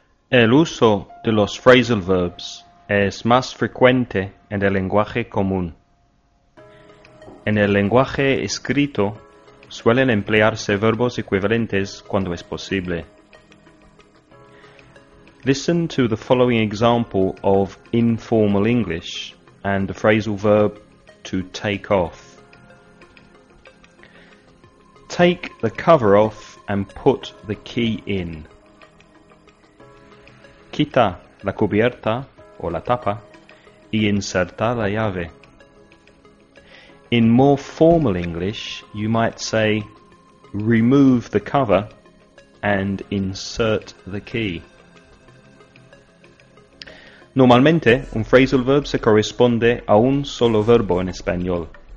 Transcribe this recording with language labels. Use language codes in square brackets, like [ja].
[es] El uso de los phrasal verbs es más frecuente en el lenguaje común. En el lenguaje escrito, suelen emplearse verbos equivalentes cuando es posible. [en] Listen to the following example of informal English and the phrasal verb to take off. Take the cover off and put the key in. [es] Quita la cubierta o la tapa y inserta la llave. [en] In more formal English, you might say, remove the cover and insert the key. [es] Normalmente, un phrasal verb se corresponde a un solo verbo en español.